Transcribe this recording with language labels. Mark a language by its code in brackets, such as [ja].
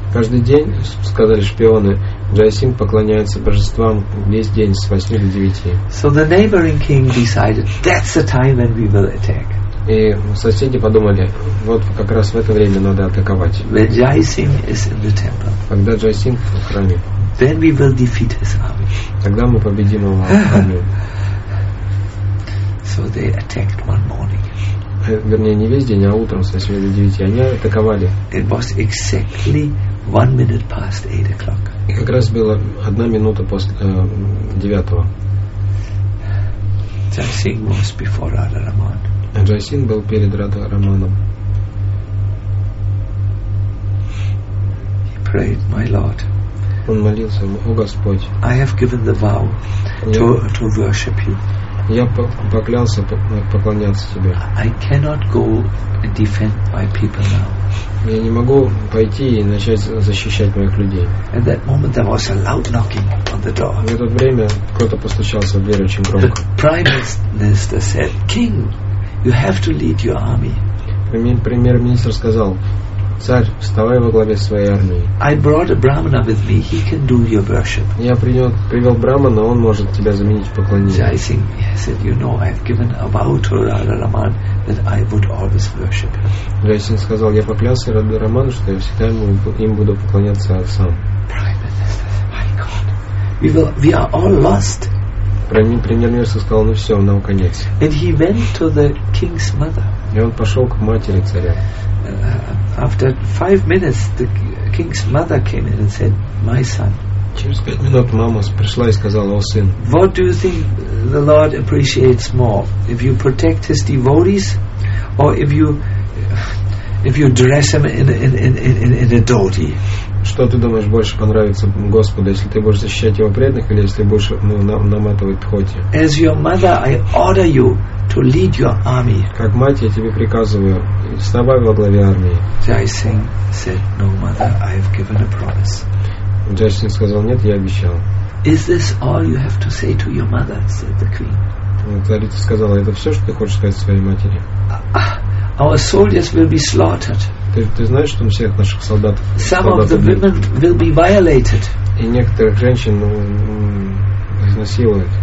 [ru] Каждый день, сказали шпионы, Джай Сингх поклоняется божествам весь день с 8 до 9. [en] So the neighboring king decided that's the time when we will attack. [ru] И соседи подумали, вот как раз в это время надо атаковать. [en] When Jai Singh is in the temple. [ru] Когда Джай Сингх в храме. [en] Then we will defeat his army. [ru] Тогда мы победим его армию. [en] So they attacked one morning. [ru] Вернее, не весь день, а утром с 8 до 9 они атаковали. [en] It was exactly 1 minute past 8 o'clock. [ru] И как раз было 1 минута после 9. [en] Jai Singh was before Radharaman. [ru] А Джай Сингх был перед Радхараманом. [en] He prayed, my Lord. [ru] Он молился, о Господь. [en] I have given the vow to worship you. [ru] Я поклялся поклоняться тебе. [en] I cannot go and defend my people now. [ru] Я не могу пойти и начать защищать моих людей. [en] At that moment there was a loud knocking on the door. [ru] В это время кто-то постучался в дверь очень громко. [en] The prime minister said, "King, you have to lead your army." [ru] Премьер-министр сказал, Царь, вставай во главе своей армии. [en] I brought a brahmana with me. He can do your worship. [ru] Я привел брахмана, он может тебя заменить в поклонении. [en] Jai Singh, he said, you know, I've given a vow to Radha Raman that I would always worship him. [ru] Jai Singh сказал, я поклялся Радхе Раману, что я всегда им буду поклоняться сам. [en] We are all lost. [ru] Премьер-министр сказал, ну все, нам конец. [en] And he went to the king's mother. [ru] И он пошел к матери царя. [en] After 5 minutes, the king's mother came in and said, "My son." [ru] Через 5 минут мама пришла и сказала, "О сын." [en] What do you think the Lord appreciates more, if you protect his devotees, or if you dress him in a dhoti? [ru] Что ты думаешь больше понравится Господу, если ты будешь защищать его преданных или если будешь наматывать дхоти? [en] As your mother, I order you to lead your army. [ru] Как мать, я тебе приказываю, вставай во главе армии. [en] Jai Singh said, no, mother, I have given a promise. [ru] Jai Singh сказал, нет, я обещал. [en] Is this all you have to say to your mother? Said the queen. [ru] Царица сказала, это все, что ты хочешь сказать своей матери? [en] Our soldiers will be slaughtered. [ru] Ты знаешь, что у всех наших солдат [en] some of the women will be violated. [ru] И некоторых женщин изнасилуют.